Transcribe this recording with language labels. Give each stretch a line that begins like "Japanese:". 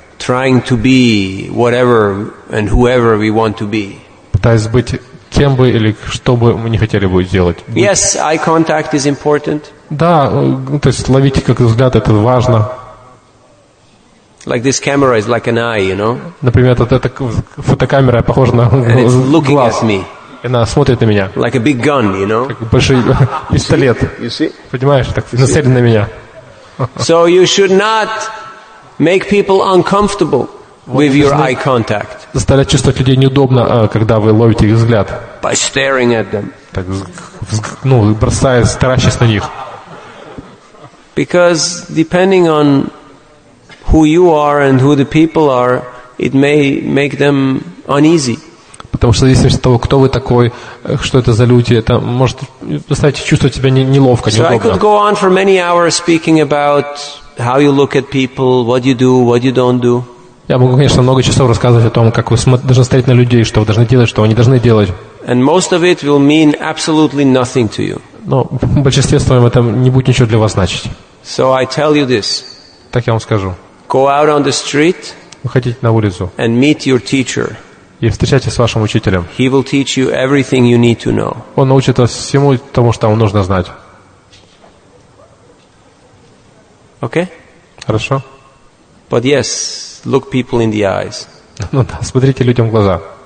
English: Trying to be whatever and whoever we want to be.
Russian: Пытаясь быть кем бы или что бы мы не хотели бы сделать. Быть.
English: Yes, eye contact is important.
Russian: Да, то есть ловите как взгляд, это важно.
English: Like this camera is like an eye, you know?
Russian: Например, эта фотокамера похожа на глаз.
English: And it's looking
Russian: глаз.
English: At me.
Russian: И она смотрит на меня.
English: Like a big gun, you know?
Russian: Как большой пистолет.
English: You see?
Russian: Понимаешь, так нацелен на меня.
English: So you should not make people uncomfortable with your eye contact.
Russian: Заставлять чувствовать людей неудобно, когда вы ловите их взгляд.
English: By staring at them.
Russian: Так, ну, бросая, старащись на них.
English: Because depending on who you are and who the people are, it may make them uneasy.
Russian: Потому что зависит от того, кто вы такой, что это за люди, это может заставить чувствовать себя неловко, неудобно.
English: So I could go on for many hours speaking about how you look at people, what you do, what you don't do.
Russian: Я могу, конечно, много часов рассказывать о том, как вы должны смотреть на людей, что вы должны делать, что вы не должны делать.
English: And most of it will mean absolutely nothing to you.
Russian: Но в большинстве своем это не будет ничего для вас значить.
English: So I tell you this.
Russian: Так я вам скажу.
English: Go out on the street
Russian: выходите на улицу
English: and meet your teacher.
Russian: и встречайтесь с вашим учителем.
English: He will teach you everything you need to know.
Russian: Он научит вас всему тому, что вам нужно знать.
English: Okay?
Russian: Хорошо.
English: But yes, look people in the eyes.
Russian: Ну да, смотрите людям в глаза.